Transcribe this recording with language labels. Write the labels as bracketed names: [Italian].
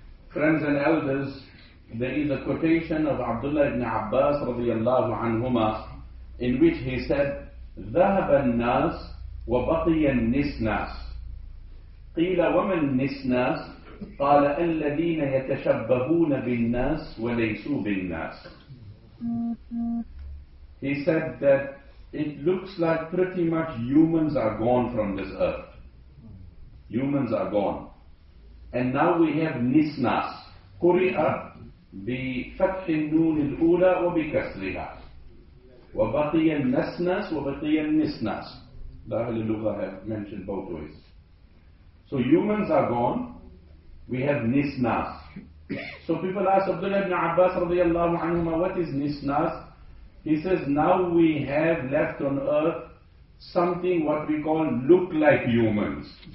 [English] Friends and elders, there is a quotation of Abdullah ibn Abbas [Arabic] رضي الله عنهما [English] in which he said, [Arabic] ذهب الناس وبقي النس ناس. قيل ومن النس ناس؟ قال الذين يتشبهون بالناس وليسوا بالناس. [English] He said that it looks like pretty much humans are gone from this earth. Humans are gone. And now we have nisnas. [Arabic] قرئ بفتح النون الأولى وبكسرها. وبقي النسناس وبقي النسناس. أهل اللغة [English] have mentioned both ways. So humans are gone. We have nisnas. So people ask Abdullah ibn Abbas [Arabic] رضي الله عنهما, [English] what is nisnas? He says, now we have left on earth something what we call look like humans.